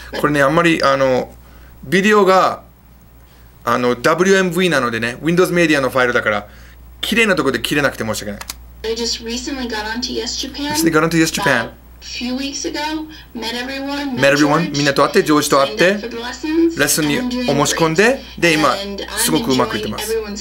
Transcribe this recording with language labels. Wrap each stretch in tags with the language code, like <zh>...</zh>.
<ja>これね、あんまりビデオが WMV なのでね、Windows Media のファイルだから、綺麗なところで切れなくて申し訳ない。</ja> <en>I just recently got onto Yes Japan. Recently got onto Yes Japan. A few weeks ago, met everyone.</en> <ja>みんなと会って、ジョージと会って。レッスンにお申し込んで、で、今、すごくうまくいってます。</ja>